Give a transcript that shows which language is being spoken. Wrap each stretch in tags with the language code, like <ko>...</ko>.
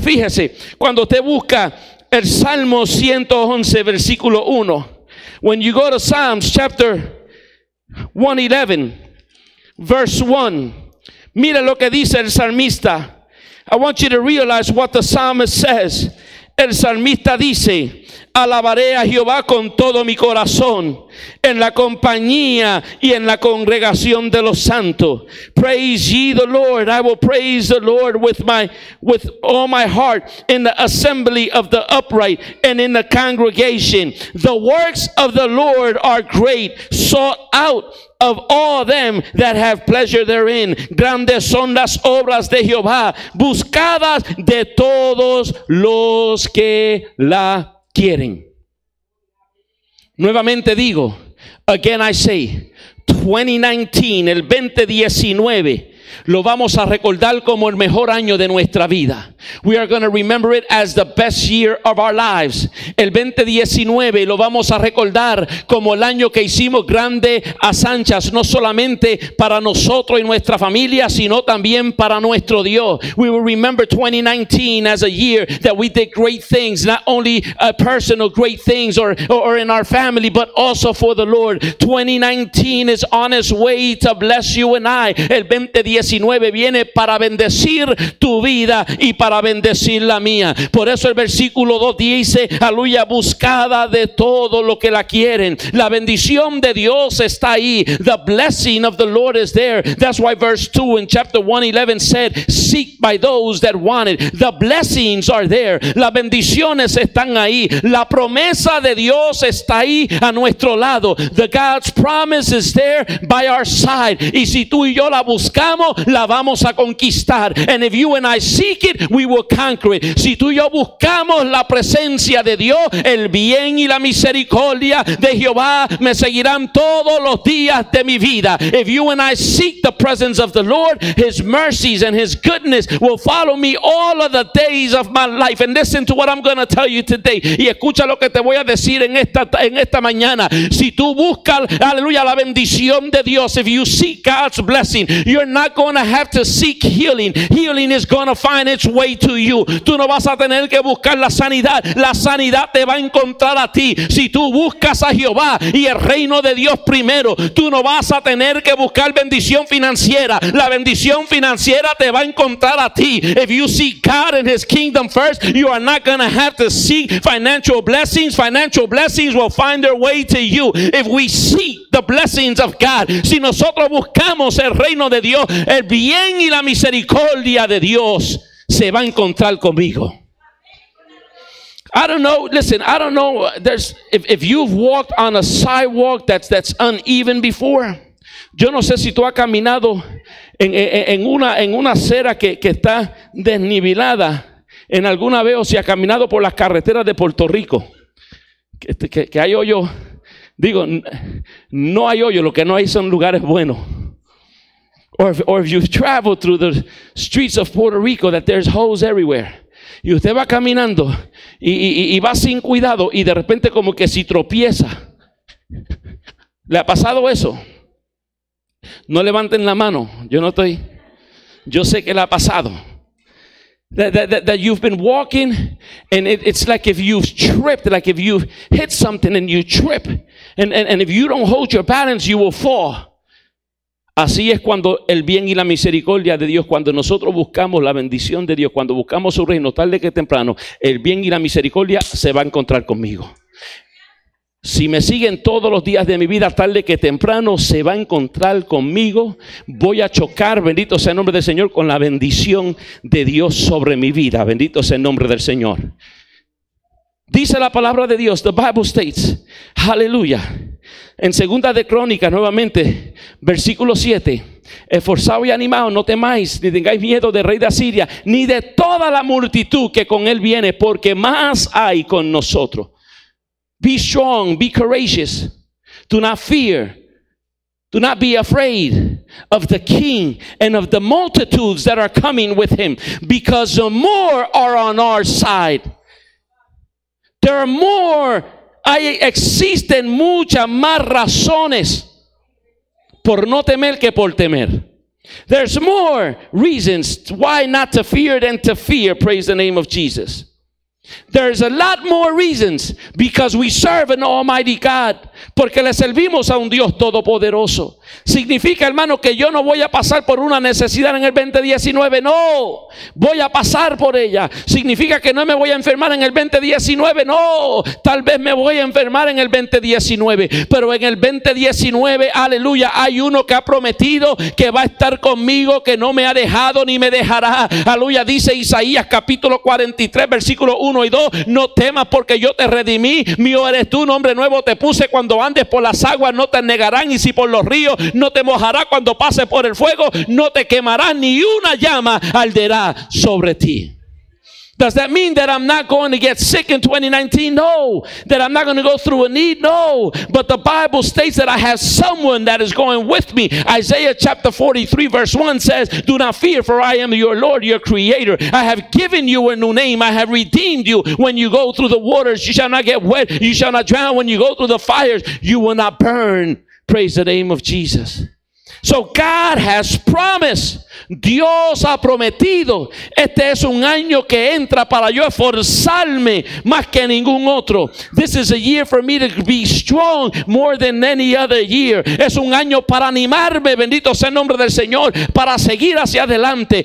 <es>Fíjese, cuando usted busca el Salmo 111, versículo 1.</es> <en>When you go to Psalms chapter 111, verse 1.</en> <es>Mira lo que dice el salmista.</es> <en>I want you to realize what the psalmist says.</en> <es>El salmista dice, alabaré a Jehová con todo mi corazón, en la compañía y en la congregación de los santos.</es> <en>Praise ye the Lord. I will praise the Lord with all my heart, in the assembly of the upright and in the congregation. The works of the Lord are great, sought out of all them that have pleasure therein.</en> <es>Grandes son las obras de Jehová, buscadas de todos los que la quieren. Nuevamente digo,</es> <en>again I say,</en> <es>2019, el 2019, lo vamos a recordar como el mejor año de nuestra vida.</es> <en>We are going to remember it as the best year of our lives.</en> <es>El 2019 lo vamos a recordar como el año que hicimos grande a sanchas, no solamente para nosotros y nuestra familia, sino también para nuestro Dios.</es> <en>We will remember 2019 as a year that we did great things, not only personal great things or in our family, but also for the Lord. 2019 is on its way to bless you and I.</en> <es>El 2019 19 viene para bendecir tu vida y para bendecir la mía. Por eso el versículo 2 dice: aleluya, buscada de todo lo que la quieren. La bendición de Dios está ahí.</es> <en>The blessing of the Lord is there. That's why verse 2 in chapter 111 said, seek by those that want it. The blessings are there.</en> <es>Las bendiciones están ahí. La promesa de Dios está ahí a nuestro lado.</es> <en>The God's promise is there by our side.</en> <es>Y si tú y yo la buscamos, la vamos a conquistar.</es> <en>And if you and I seek it, we will conquer it.</en> <es>Si tú y yo buscamos la presencia de Dios, el bien y la misericordia de Jehová me seguirán todos los días de mi vida.</es> <en>If you and I seek the presence of the Lord, His mercies and His goodness will follow me all of the days of my life. And listen to what I'm going to tell you today.</en> <es>Y escucha lo que te voy a decir en esta mañana. Si tú buscas, aleluya, la bendición de Dios,</es> <en>if you seek God's blessing, you're not going to have to seek healing. Healing is going to find its way to you.</en> <es>Tú no vas a tener que buscar la sanidad. La sanidad te va a encontrar a ti. Si tú buscas a Jehová y el reino de Dios primero, tú no vas a tener que buscar bendición financiera. La bendición financiera te va a encontrar a ti.</es> <en>If you seek God and His kingdom first, you are not going to have to seek financial blessings. Financial blessings will find their way to you. If we seek the blessings of God,</en> <es>si nosotros buscamos el reino de Dios, el bien y la misericordia de Dios se va a encontrar conmigo.</es> <en>I don't know, listen, I don't know, there's, if you've walked on a sidewalk that's uneven before,</en> <es>yo no sé si tú has caminado en una acera que está desnivelada en alguna vez, o si has caminado por las carreteras de Puerto Rico, que hay hoyo, digo, no hay hoyo, lo que no hay son lugares buenos.</es> <en>Or if you travel through the streets of Puerto Rico, that there's holes everywhere.</en> <es>Y usted va caminando y va sin cuidado y de repente como que si tropieza. ¿Le ha pasado eso? No levanten la mano. Yo sé que le ha pasado.</es> <en>That you've been walking and it's like if you've tripped, like if you've hit something and you trip. And if you don't hold your balance, you will fall.</en> <es>Así es cuando el bien y la misericordia de Dios, cuando nosotros buscamos la bendición de Dios, cuando buscamos su reino tarde que temprano, el bien y la misericordia se va a encontrar conmigo. Si me siguen todos los días de mi vida, tarde que temprano se va a encontrar conmigo. Voy a chocar, bendito sea el nombre del Señor, con la bendición de Dios sobre mi vida. Bendito sea el nombre del Señor. Dice la palabra de Dios,</es> <en>the Bible states,</en> <es>aleluya. En segunda de Crónicas, nuevamente, versículo 7. Esforzaos y animaos, no temáis, ni tengáis miedo del rey de Asiria, ni de toda la multitud que con él viene, porque más hay con nosotros.</es> <en>Be strong, be courageous. Do not fear. Do not be afraid of the king and of the multitudes that are coming with him, because the more are on our side. There are more.</en> <es>Hay, existen muchas más razones por no temer que por temer.</es> <en>There's more reasons why not to fear than to fear. Praise the name of Jesus. There's a lot more reasons because we serve an almighty God.</en> <es>Porque le servimos a un Dios todopoderoso. Significa, hermano, que yo no voy a pasar por una necesidad en el 2019. No, voy a pasar por ella. Significa que no me voy a enfermar en el 2019. No, tal vez me voy a enfermar en el 2019. Pero en el 2019, aleluya, hay uno que ha prometido que va a estar conmigo, que no me ha dejado ni me dejará. Aleluya, dice Isaías capítulo 43, versículo 1 y 2. No temas porque yo te redimí. Mío eres tú, un hombre nuevo te puse. Cuando andes por las aguas no te anegarán, y si por los ríos no te mojará. Cuando pases por el fuego no te quemará, ni una llama arderá sobre ti.</es> <en>Does that mean that I'm not going to get sick in 2019? No. That I'm not going to go through a need? No. But the Bible states that I have someone that is going with me. Isaiah chapter 43 verse 1 says, do not fear, for I am your Lord, your creator. I have given you a new name. I have redeemed you. When you go through the waters, you shall not get wet. You shall not drown. When you go through the fires, you will not burn. Praise the name of Jesus. So God has promised.</en> <es>Dios ha prometido. Este es un año que entra para yo esforzarme más que ningún otro.</es> <en>This is a year for me to be strong more than any other year.</en> <es>Es un año para animarme, bendito sea el nombre del Señor, para seguir hacia adelante.</es>